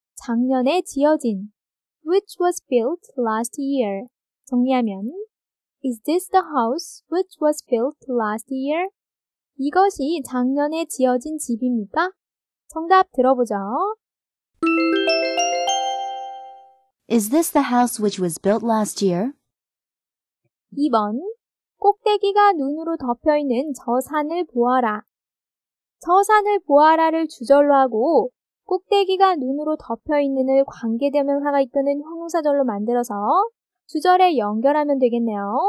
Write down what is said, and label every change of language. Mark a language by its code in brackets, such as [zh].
[ko] 작년에 지어진 [en] which was built last year 정리하면 Is this the house which was built last year? [ko] 이것이 작년에 지어진 집입니까? 정답 들어보죠. [en] Is this the house which was built last year? [ko] 2번 꼭대기가 눈으로 덮여있는 저 산을 보아라. 저 산을 보아라를 주절로 하고 꼭대기가 눈으로 덮여있는을 관계대명사가 이끄는 형용사절로 만들어서 주절에 연결하면 되겠네요.